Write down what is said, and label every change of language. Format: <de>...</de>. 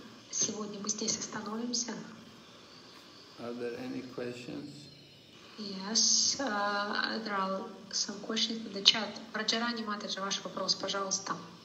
<ru>Сегодня мы здесь остановимся.</ru> <en>Are there any questions? Yes, there are some questions in the chat.</en> <ru>Раджарани Матаджи, ваш вопрос, пожалуйста.</ru>